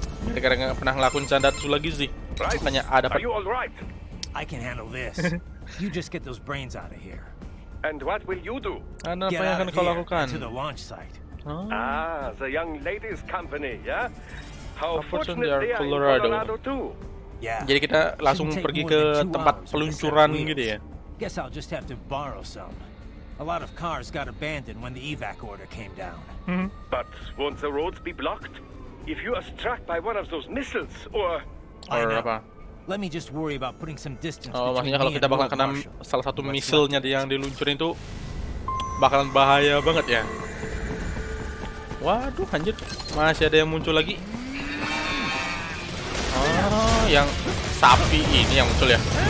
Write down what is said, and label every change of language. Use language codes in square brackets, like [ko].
[id] Gara-gara nggak pernah ngelakuin canda itu lagi sih. Tanya ada apa? [en] Are you all right? I can handle this. You just get those brains out of here. And what will you do? [id] Anda apa yang akan kau lakukan? [en] To the launch site. Ah, the young ladies' company, yeah? How fortunate they are in Colorado too. [id] Yeah. Jadi kita langsung pergi ke tempat peluncuran gitu ya. [en] Guess I'll just have to borrow some. A lot of cars got abandoned when the evac order came down. But won't the roads be blocked? If you are struck by one of those missiles, or... Or [id] apa? [en] Let me just worry about putting some distance. [id] Oh, maksudnya kalau kita bakal kena salah satu misilnya yang diluncurin itu bakalan bahaya banget ya. Waduh, anjir. Masih ada yang muncul lagi. Oh, yang sapi ini yang muncul ya.